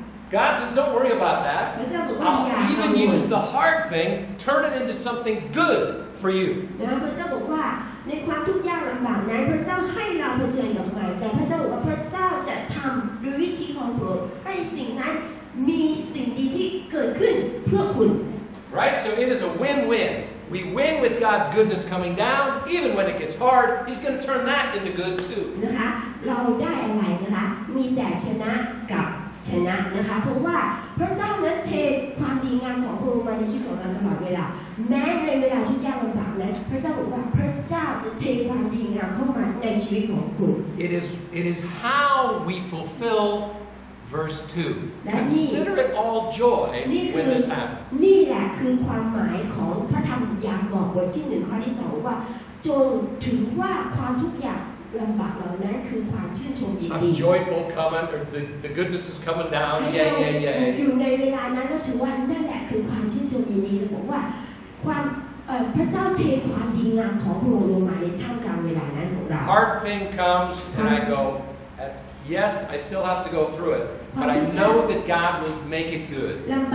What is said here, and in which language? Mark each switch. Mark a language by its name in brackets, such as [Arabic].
[English] God says, don't worry about that. I'll even use the hard thing, turn it into something good for you. [Thai] ในความทุกข์ยากลำบากนั้นพระเจ้าให้เราเผชิญกับมันแต่พระเจ้าบอกว่าพระเจ้าจะทำด้วยวิธีของพระองค์ให้สิ่งนั้นมีสิ่งดีที่เกิดขึ้นเพื่อคุณ [English] Right so it is a win-win we win with God's goodness coming down even when it gets hard He's going to turn that into good too [Thai] นะคะเราได้อะไรนะคะมีแต่ชนะกับชนะนะคะเพราะว่าพระเจ้านั้นเทความดีงามของพระองค์มาในชีวิตของเราตลอดเวลาแม้ในเวลาทุกอย่างลำบากนั้นพระเจ้าบอกว่าพระเจ้าจะเทความดีงามเข้ามาในชีวิตของคุณ [English] It is how we fulfill verse 2 consider it all joy when this happens [Thai] นี่แหละคือความหมายของพระธรรมยากอบบทที่1ข้อที่2ว่าจงถือว่าความทุกอย่าง [English] I'm joyful coming, or the goodness is coming down. Yeah. Hard thing comes, and I go, yes, I still have to go through it, but I know that God will make it good.